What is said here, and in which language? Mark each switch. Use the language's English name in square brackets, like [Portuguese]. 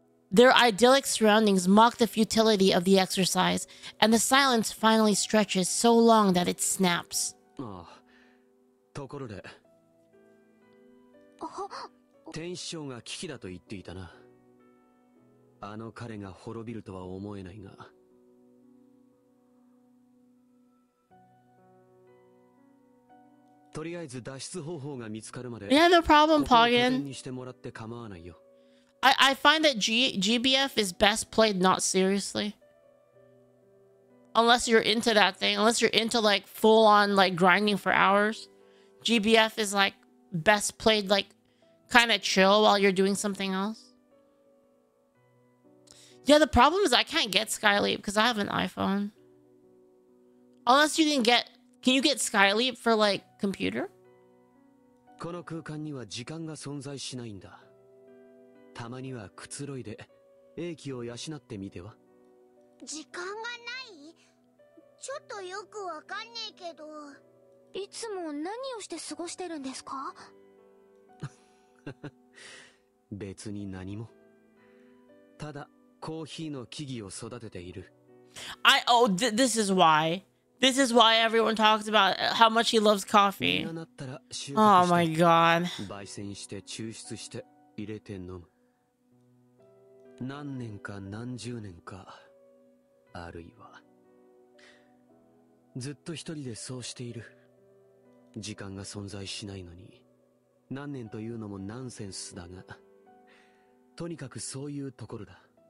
[English] Their idyllic surroundings mock the futility of the exercise, and the silence finally stretches so long that it snaps. [Japanese] ところで、天使長が危機だと言っていたな。あの彼が滅びるとは思えないが。とりあえず脱出方法が見つかるまで。 [English] Yeah, no problem, Poggin. [Japanese] にしてもらって構わないよ。 [English] I find that GBF is best played not seriously. Unless you're into that thing, unless you're into like full on like grinding for hours. GBF is like best played like kind of chill while you're doing something else. Yeah, the problem is I can't get Skyleap because I have an iPhone. Unless you can get, can you get Skyleap for like computer? [Japanese] この空間には時間が存在しないんだ。たまにはくつろいで英気を養ってみては。時間がない？ちょっとよくわかんねえけど。いつも何をして過ごしてるんですか？別に何も。ただコーヒーの木々を育てている。 [English] This is why. This is why everyone talks about how much he loves coffee. Oh my god. [Japanese] 焙煎して抽出して入れて飲む。何年か何十年か、あるいはずっと一人でそうしている。時間が存在しないのに、何年というのもナンセンスだが、とにかくそういうところだ。